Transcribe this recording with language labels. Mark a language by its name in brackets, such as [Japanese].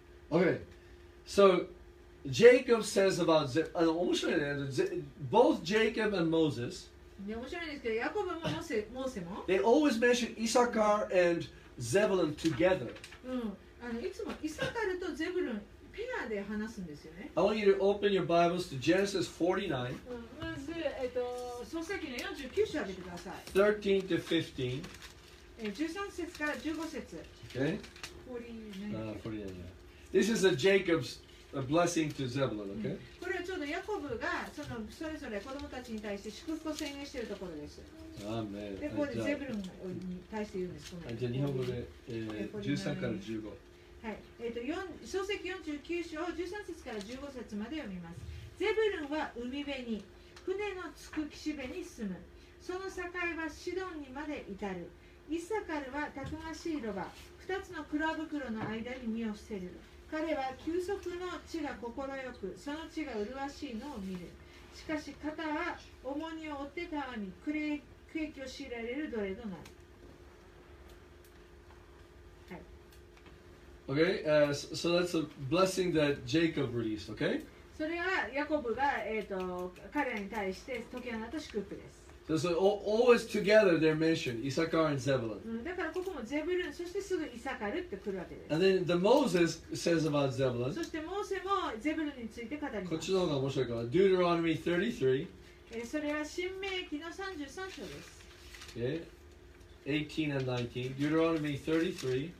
[English] Okay. So, Jacob says about Zeb. [Japanese] 面白いね。 [English] Both Jacob and Moses. [Japanese] 面白いですけど、ヤコブもモーセも。 [English] They always mention Issachar and Zebulun together. [Japanese] うん。いつもイサカルとゼブルン。ペアで話すんですよね。 [English] I want you to open your Bibles to Genesis 49. [Japanese] まず、創世記の49章を上げてください。 13節から15節。 [English] Okay. 49. 49. This is a Jacob's a blessing to Zebulun. Okay.、 [Japanese] うん、これはちょうどヤコブがそのそれぞれ子供たちに対して祝福を宣言しているところです。 [English] Amen. [Japanese] で、ここでゼブルンに対して言うんです。じゃあ日本語で、13から15。はい、創世記49章を13節から15節まで読みます。ゼブルンは海辺に、船の着く岸辺に住む。その境はシドンにまで至る。イサカルはたくましいロバ、2つの蔵袋の間に身を伏せる。彼は休息の地が心よく、その地が麗しいのを見る。しかし肩は重荷を負ってたわみ、苦役を強いられる奴隷となる。 [English] Okay, so that's a blessing that Jacob released, okay? [Japanese] それはヤコブが、彼らに対して解き放った祝福です。 [English] So, so always together they're mentioned, Issachar and Zebulun.、 [Japanese] うん、だからここもゼブルン、そしてすぐイサカルって来るわけです。 [English] And then the Moses says about Zebulun. [Japanese] そしてモーセもゼブルンについて語ります。こっちの方が面白いから。 [English] Deuteronomy 33. [Japanese] それは新命記の33章です。 [English] Okay, 18 and 19. Deuteronomy 33.